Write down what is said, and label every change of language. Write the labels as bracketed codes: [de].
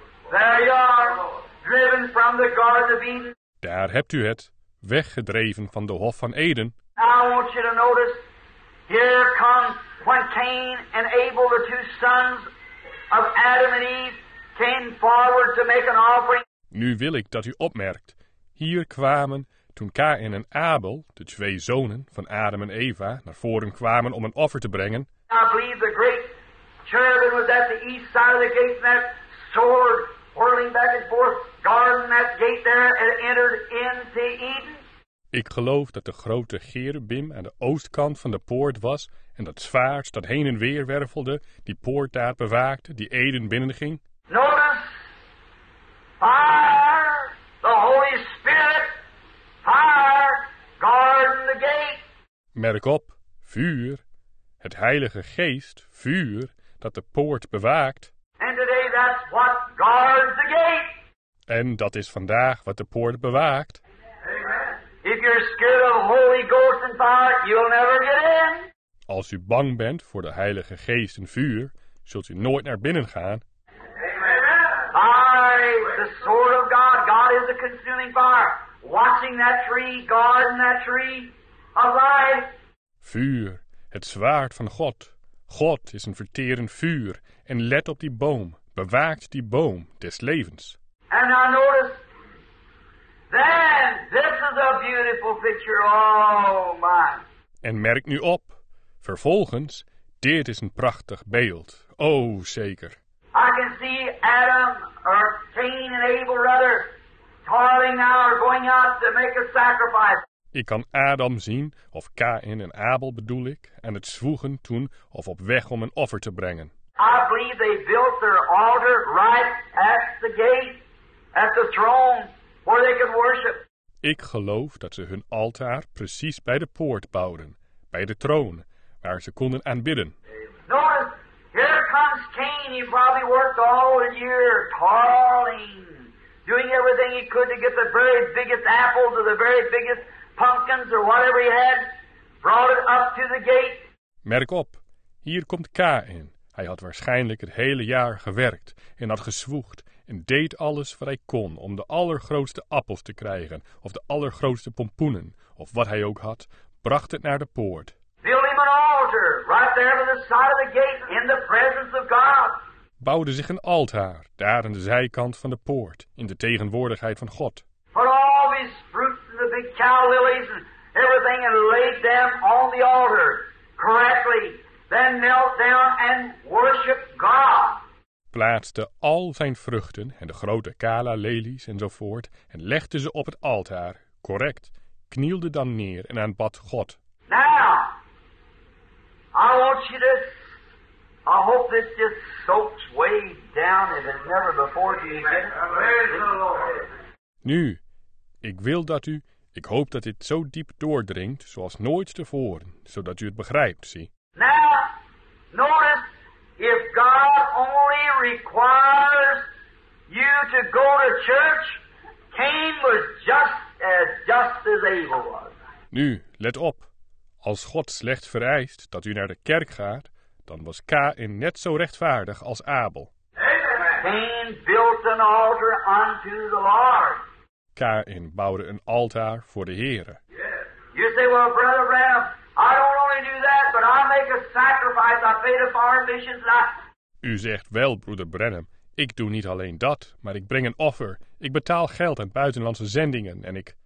[en] There you are, driven from the Garden of Eden. [nl] Daar hebt u het, weggedreven van de Hof van Eden. [en] I want you to notice, here come when Cain and Abel, the two sons of Adam and Eve, came forward to make an offering. [nl] Nu wil ik dat u opmerkt, hier kwamen toen Kain en Abel, de twee zonen van Adam en Eva, naar voren kwamen om een offer te brengen. [en] I believe the great cherubim was at the east side of the gate, that sword whirling back and forth, guarding that gate there, and entered into Eden. [nl] Ik geloof dat de grote cherubim aan de oostkant van de poort was, en dat zwaard dat heen en weer wervelde, die poort daar bewaakte, die Eden binnenging. [en] Notice, fire, the Holy Spirit, fire, guard the gate. [nl] Merk op, vuur, het Heilige Geest, vuur, dat de poort bewaakt. [en] And today that's what guards the gate. [nl] En dat is vandaag wat de poort bewaakt. [en] If you're scared of Holy Ghost and fire, you'll never get in. [nl] Als u bang bent voor de Heilige Geest en vuur, zult u nooit naar binnen gaan. [en] Amen. By the sword of God, God is a consuming fire. Watching that tree, guarding that tree of life. [nl] Vuur, het zwaard van God. God is een verterend vuur. En let op die boom, bewaakt die boom des levens. [en] And now notice, then, this is a beautiful picture, oh my. [nl] En merk nu op, vervolgens, dit is een prachtig beeld, oh zeker. [en] I can see Adam, or Cain and Abel rather, toiling now or going out to make a sacrifice. [nl] Ik kan Adam zien, of Cain en Abel bedoel ik, en het zwoegen toen of op weg om een offer te brengen. [en] I believe they built their altar right at the gate, at the throne, where they could worship. [nl] Ik geloof dat ze hun altaar precies bij de poort bouwden, bij de troon, waar ze konden aanbidden. [en] Notice, here comes Cain, he probably worked all the year, toiling, doing everything he could to get the very biggest apples or the very biggest pumpkins or whatever he had, brought it up to the gate. [nl] Merk op, hier komt Cain. Hij had waarschijnlijk het hele jaar gewerkt en had gezwoegd en deed alles wat hij kon om de allergrootste appels te krijgen of de allergrootste pompoenen of wat hij ook had, bracht het naar de poort. [en] Build him an altar. altar right there by the side of the gate in the presence of God. [nl] Bouwde zich een altaar daar aan de zijkant van de poort in de tegenwoordigheid van God. [en] Put all these fruits and the big cow lilies and everything and laid them on the altar correctly. Then knelt down and worshiped God. [nl] Plaatste al zijn vruchten en de grote kala-lelies enzovoort en legde ze op het altaar, correct, knielde dan neer en aanbad God. [en] Now, I want you to, I hope this just soaks way down as it never before did. Amen. Praise the Lord. [nl] Nu, ik wil dat u, ik hoop dat dit zo diep doordringt zoals nooit tevoren, zodat u het begrijpt, zie. [en] Now, notice. If God only requires you to go to church, Cain was just as Abel was. [nl] Nu, let op. Als God slechts vereist dat u naar de kerk gaat, dan was Cain net zo rechtvaardig als Abel. [en] Cain built an altar unto the Lord. [nl] Cain bouwde een altaar voor de Heere. [en] You say, well, Brother Ram, I don't only do that, but I make a sacrifice. I pay the foreign missions. [nl] U zegt wel, broeder Branham, ik doe niet alleen dat, maar ik breng een offer. Ik betaal geld aan buitenlandse zendingen en ik.